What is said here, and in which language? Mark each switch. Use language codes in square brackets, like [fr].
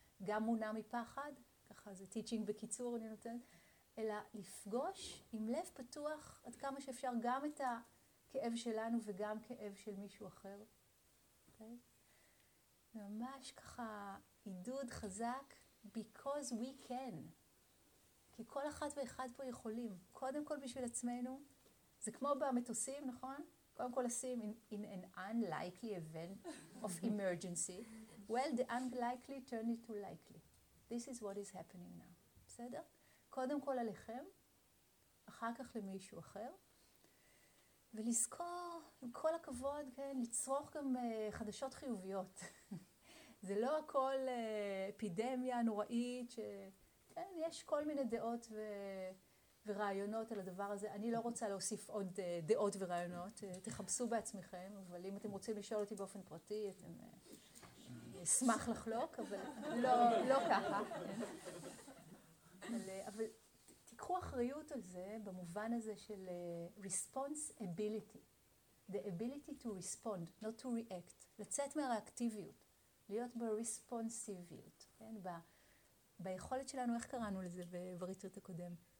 [he] גם מונע מפחד, ככה זה טיצ'ינג בקיצור אני נותן, אלא לפגוש עם לב פתוח עד כמה שאפשר גם את הכאב שלנו וגם כאב של מישהו אחר. Okay? ממש ככה עידוד חזק, [en] because we can. [he] כי כל אחת ואחד פה יכולים. קודם כל בשביל עצמנו, זה כמו במטוסים, נכון? קודם כל עושים [en] in an unlikely event of emergency. Well, the unlikely turned into likely. This is what is happening now. [he] בסדר? קודם כל עליכם, אחר כך למישהו אחר. ולזכור, עם כל הכבוד, כן, לצרוך גם חדשות חיוביות. זה לא הכל אפידמיה נוראית, כן, יש כל מיני דעות ורעיונות על הדבר הזה. אני לא רוצה להוסיף עוד דעות ורעיונות, תחפשו בעצמכם, אבל אם אתם רוצים לשאול אותי באופן פרטי, אתם אשמח לחלוק, אבל לא, לא ככה. אבל תיקחו אחריות על זה במובן הזה של responsibility. [en] The ability to respond, not to react. [he] לצאת מהריאקטיביות. להיות ב-responsiveיות. כן? ביכולת שלנו, איך קראנו לזה בריטריט הקודם?